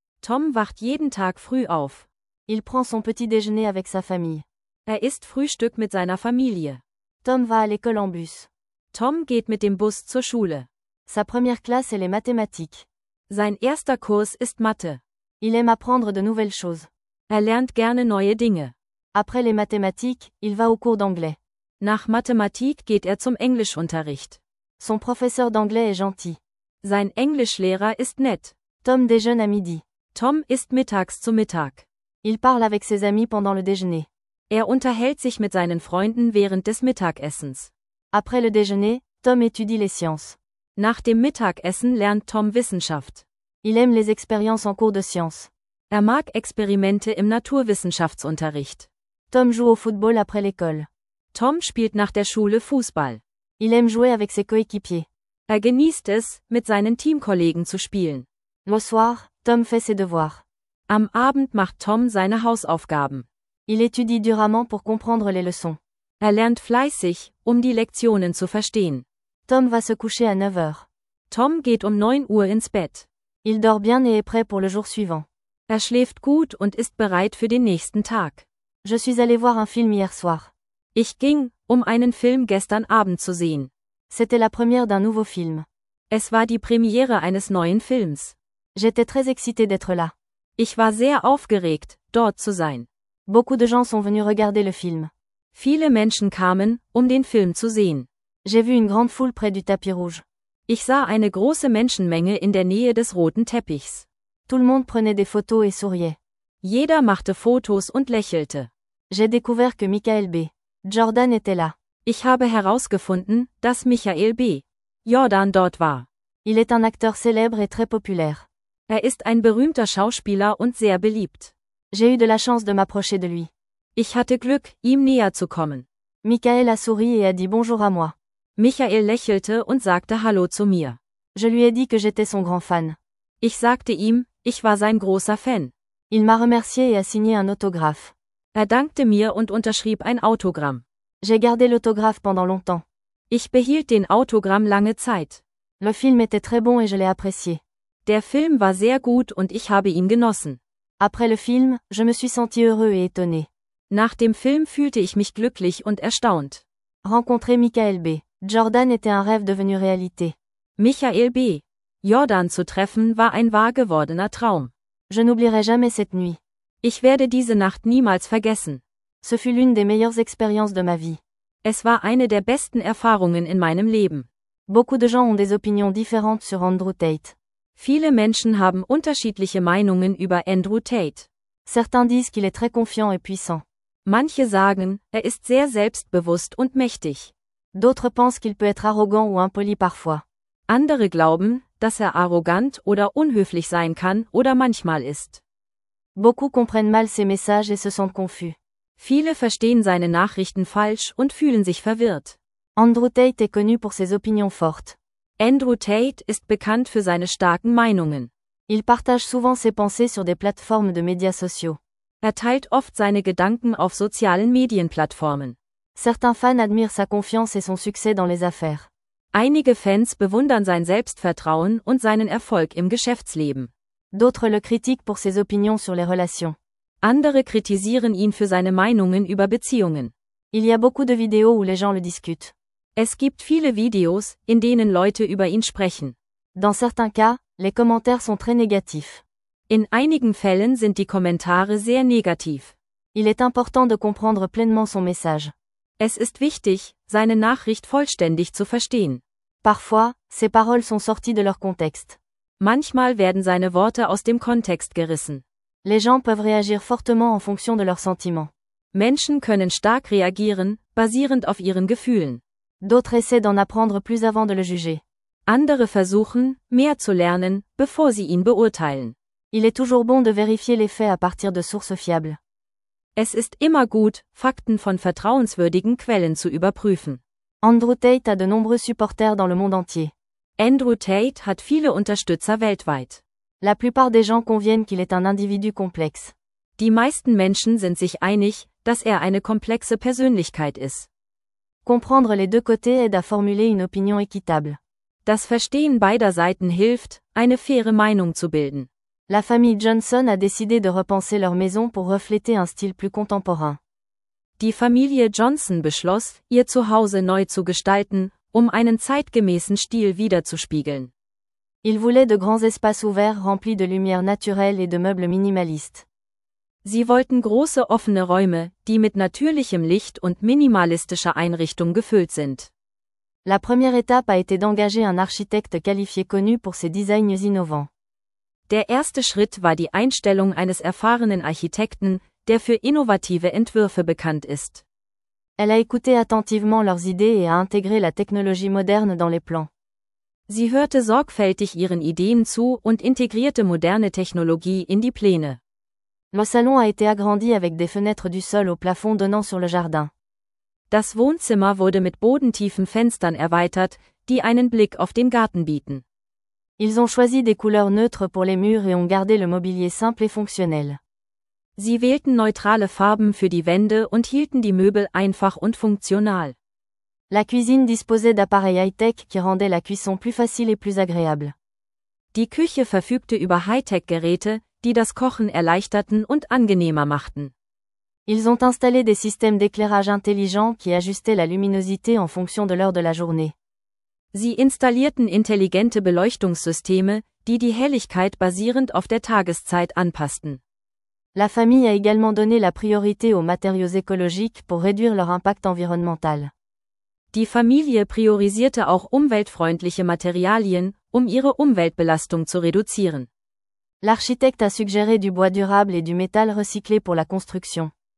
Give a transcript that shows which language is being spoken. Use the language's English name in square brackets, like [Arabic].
[German] Tom wacht jeden Tag früh auf. [French] Il prend son petit déjeuner avec sa famille. [German] Er isst Frühstück mit seiner Familie. [French] Tom va à l'école en bus. [German] Tom geht mit dem Bus zur Schule. [French] Sa première classe est les mathématiques. [German] Sein erster Kurs ist Mathe. [French] Il aime apprendre de nouvelles choses. [German] Er lernt gerne neue Dinge. [French] Après les mathématiques, il va au cours d'anglais. [German] Nach Mathematik geht er zum Englischunterricht. [French] Son professeur d'anglais est gentil. [German] Sein Englischlehrer ist nett. [French] Tom déjeune à midi. [German] Tom isst mittags zu Mittag. [French] Il parle avec ses amis pendant le déjeuner. [German] Er unterhält sich mit seinen Freunden während des Mittagessens. [French] Après le déjeuner, Tom étudie les sciences. [German] Nach dem Mittagessen lernt Tom Wissenschaft. [French] Il aime les expériences en cours de sciences. [German] Er mag Experimente im Naturwissenschaftsunterricht. [French] Tom joue au football après l'école. [German] Tom spielt nach der Schule Fußball. [French] Il aime jouer avec ses coéquipiers. [German] Er genießt es, mit seinen Teamkollegen zu spielen. [French] Le soir, Tom fait ses devoirs. [German] Am Abend macht Tom seine Hausaufgaben. [French] Il étudie durement pour comprendre les leçons. [German] Er lernt fleißig, um die Lektionen zu verstehen. [French] Tom va se coucher à 9 heures. [German] Tom geht um 9 Uhr ins Bett. [French] Il dort bien et est prêt pour le jour suivant. [German] Er schläft gut und ist bereit für den nächsten Tag. [French] Je suis allé voir un film hier soir. [German] Ich ging, um einen Film gestern Abend zu sehen. [French] C'était la première d'un nouveau film. [German] Es war die Premiere eines neuen Films. [French] J'étais très excité d'être là. [German] Ich war sehr aufgeregt, dort zu sein. [French] Beaucoup de gens sont venus regarder le film. [German] Viele Menschen kamen, um den Film zu sehen. [French] J'ai vu une grande foule près du tapis rouge. [German] Ich sah eine große Menschenmenge in der Nähe des roten Teppichs. [French] Tout le monde prenait des photos et souriait. [German] Jeder machte Fotos und lächelte. [French] J'ai découvert que Michael B. Jordan était là. [German] Ich habe herausgefunden, dass Michael B. Jordan dort war. [French] Il est un acteur célèbre et très populaire. [German] Er ist ein berühmter Schauspieler und sehr beliebt. [French] J'ai eu de la chance de m'approcher de lui. [German] Ich hatte Glück, ihm näher zu kommen. [French] Michael a souri et a dit bonjour à moi. [German] Michael lächelte und sagte Hallo zu mir. [French] Je lui ai dit que j'étais son grand fan. [German] Ich sagte ihm, ich war sein großer Fan. [French] Il m'a remercié et a signé un autographe. [German] Er dankte mir und unterschrieb ein Autogramm. [French] J'ai gardé l'autographe pendant longtemps. [German] Ich behielt den Autogramm lange Zeit. [French] Le film était très bon et je l'ai apprécié. [German] Der Film war sehr gut und ich habe ihn genossen. [French] Après le film, je me suis senti heureux et étonné. [German] Nach dem Film fühlte ich mich glücklich und erstaunt. [French] Rencontrer Michael B. Jordan était un rêve devenu réalité. [German] Michael B. Jordan zu treffen war ein wahr gewordener Traum. [French] Je n'oublierai jamais cette nuit. [German] Ich werde diese Nacht niemals vergessen. [French] Ce fut l'une des meilleures expériences de ma vie. [German] Es war eine der besten Erfahrungen in meinem Leben. [French] Beaucoup de gens ont des opinions différentes sur Andrew Tate. [German] Viele Menschen haben unterschiedliche Meinungen über Andrew Tate. [French] Certains disent qu'il est très confiant et puissant. [German] Manche sagen, er ist sehr selbstbewusst und mächtig. [French] D'autres pensent qu'il peut être arrogant ou impoli parfois. [German] Andere glauben, dass er arrogant oder unhöflich sein kann oder manchmal ist. [French] Beaucoup comprennent mal ses messages et se sentent confus. [German] Viele verstehen seine Nachrichten falsch und fühlen sich verwirrt. [French] Andrew Tate est connu pour ses opinions fortes. [German] Andrew Tate ist bekannt für seine starken Meinungen. [French] Il partage souvent ses pensées sur des plateformes de médias sociaux. [German] Er teilt oft seine Gedanken auf sozialen Medienplattformen. [French] Certains fans admirent sa confiance et son succès dans les affaires. [German] Einige Fans bewundern sein Selbstvertrauen und seinen Erfolg im Geschäftsleben. [French] D'autres le critiquent pour ses opinions sur les relations. [German] Andere kritisieren ihn für seine Meinungen über Beziehungen. [French] Il y a beaucoup de vidéos où les gens le discutent. [German] Es gibt viele Videos, in denen Leute über ihn sprechen. [French] Dans certains cas, les commentaires sont très négatifs. [German] In einigen Fällen sind die Kommentare sehr negativ. [French] Il est important de comprendre pleinement son message. [German] Es ist wichtig, seine Nachricht vollständig zu verstehen. [French] Parfois, ses paroles sont sorties de leur contexte. [German] Manchmal werden seine Worte aus dem Kontext gerissen. [French] Les gens peuvent réagir fortement en fonction de leurs sentiments. [German] Menschen können stark reagieren, basierend auf ihren Gefühlen. [French] D'autres essaient d'en apprendre plus avant de le juger. [German] Andere versuchen, mehr zu lernen, bevor sie ihn beurteilen. [French] Il est toujours bon de vérifier les faits à partir de sources fiables. [German] Es ist immer gut, Fakten von vertrauenswürdigen Quellen zu überprüfen. [French] Andrew Tate a de nombreux supporters dans le monde entier. [German] Andrew Tate hat viele Unterstützer weltweit. [French] La plupart des gens conviennent qu'il est un individu complexe. [German] Die meisten Menschen sind sich einig, dass er eine komplexe Persönlichkeit ist. [French] Comprendre les deux côtés aide à formuler une opinion équitable. [German] Das Verstehen beider Seiten hilft, eine faire Meinung zu bilden. [French] La famille Johnson a décidé de repenser leur maison pour refléter un style plus contemporain. [German] Die Familie Johnson beschloss, ihr Zuhause neu zu gestalten, um einen zeitgemäßen Stil wiederzuspiegeln. [French] Ils voulaient de grands espaces ouverts remplis de lumière naturelle et de meubles minimalistes. [German] Sie wollten große offene Räume, die mit natürlichem Licht und minimalistischer Einrichtung gefüllt sind. [French] La première étape a été d'engager un architecte qualifié connu pour ses designs innovants. [German] Der erste Schritt war die Einstellung eines erfahrenen Architekten, der für innovative Entwürfe bekannt ist. [French] Elle a écouté attentivement leurs idées et a intégré la technologie moderne dans les plans. [German] Sie hörte sorgfältig ihren Ideen zu und integrierte moderne Technologie in die Pläne. [French] Le salon a été agrandi avec des fenêtres du sol au plafond donnant sur le jardin. [German] Das Wohnzimmer wurde mit bodentiefen Fenstern erweitert, die einen Blick auf den Garten bieten. [French] Ils ont choisi des couleurs neutres pour les murs et ont gardé le mobilier simple et fonctionnel. [German] Sie wählten neutrale Farben für die Wände und hielten die Möbel einfach und funktional. [French] La cuisine disposait d'appareils high-tech qui rendaient la cuisson plus facile et plus agréable. [German] Die Küche verfügte über High-Tech-Geräte, die das Kochen erleichterten und angenehmer machten. [French] Ils ont installé des systèmes d'éclairage intelligents qui ajustaient la luminosité en fonction de l'heure de la journée. [German] Sie installierten intelligente Beleuchtungssysteme, die die Helligkeit basierend auf der Tageszeit anpassten. [French] La famille a également donné la priorité aux matériaux écologiques pour réduire leur impact environnemental. [German] Die Familie priorisierte auch umweltfreundliche Materialien, um ihre Umweltbelastung zu reduzieren. [French] L'architecte a suggéré du bois durable et du métal recyclé pour la construction.